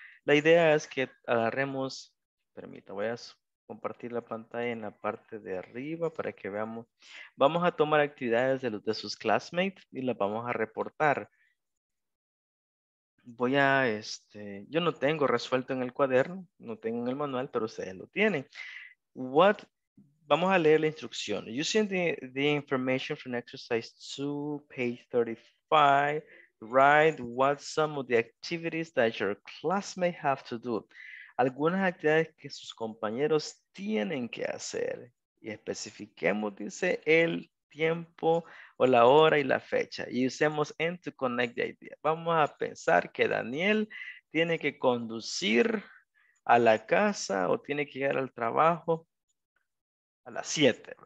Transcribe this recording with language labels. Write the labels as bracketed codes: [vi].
[es] La idea es que agarremos, voy a compartir la pantalla en la parte de arriba para que veamos. Vamos a tomar actividades de los de sus classmates y las vamos a reportar. Yo no tengo resuelto en el cuaderno, no tengo en el manual, pero ustedes lo tienen. Vamos a leer la instrucción. [en] Using the information from exercise 2, page 35, write what some of the activities that your classmates have to do. [es] Algunas actividades que sus compañeros tienen que hacer. Y especifiquemos, dice, el tiempo o la hora y la fecha. Y usemos AND [en] to connect the idea. [es] Vamos a pensar que Daniel tiene que conducir a la casa o tiene que llegar al trabajo a las 7.